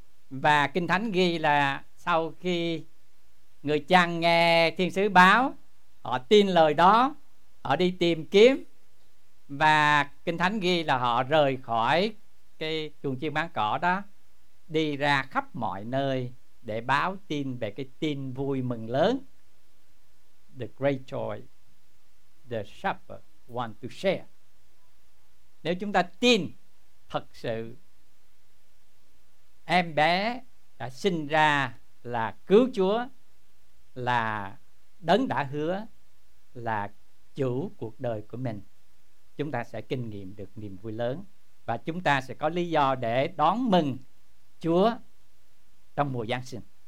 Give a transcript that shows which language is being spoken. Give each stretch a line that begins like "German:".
Vietnamese: Và Kinh Thánh ghi là sau khi người chăn nghe thiên sứ báo, họ tin lời đó, họ đi tìm kiếm, và Kinh Thánh ghi là họ rời khỏi cái chuồng chiên bán cỏ đó, đi ra khắp mọi nơi để báo tin về cái tin vui mừng lớn.
English: The great joy the shepherd want to share.
Vietnamese: Nếu chúng ta tin thật sự em bé đã sinh ra là cứu Chúa, là đấng đã hứa, là chủ cuộc đời của mình, chúng ta sẽ kinh nghiệm được niềm vui lớn, và chúng ta sẽ có lý do để đón mừng Chúa trong mùa Giáng sinh.